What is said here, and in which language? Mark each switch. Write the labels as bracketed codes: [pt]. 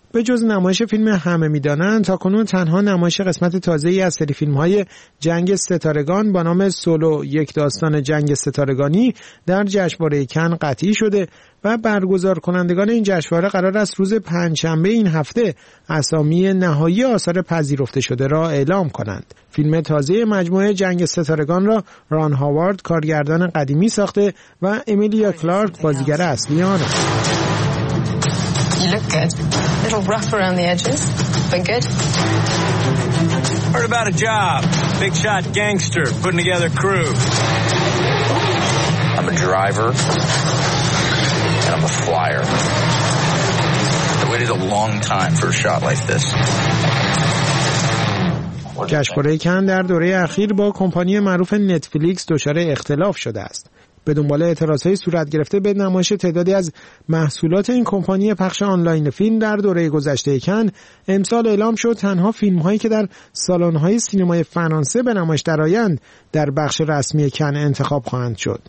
[fa] به جز نمایش فیلم همه می‌دانند، تا کنون تنها نمایش قسمت تازه‌ای از سری فیلم‌های جنگ ستارگان با نام سولو، یک داستان جنگ ستارگانی در جشنواره کن قطعی شده و برگزار کنندگان این جشنواره قرار است روز پنجشنبه این هفته اسامی نهایی آثار پذیرفته شده را اعلام کنند. فیلم تازه مجموعه جنگ ستارگان را ران هاوارد کارگردان قدیمی ساخته و امیلیا کلارک بازیگر اصلی آن است. [en] Little rough around the edges, but good. Heard about a job. Big shot gangster putting together crew. I'm a driver, and I'm a flyer. I waited a long time for a shot like this. [fa] جشنواره کن در دوره اخیر با کمپانی معروف نتفلیکس دچار اختلاف شده است. به دنبال اعتراض‌های صورت گرفته به نمایش تعدادی از محصولات این کمپانی پخش آنلاین فیلم در دوره گذشته کن، امسال اعلام شد تنها فیلم‌هایی که در سالن‌های سینمای فرانسه به نمایش درآیند در بخش رسمی کن انتخاب خواهند شد.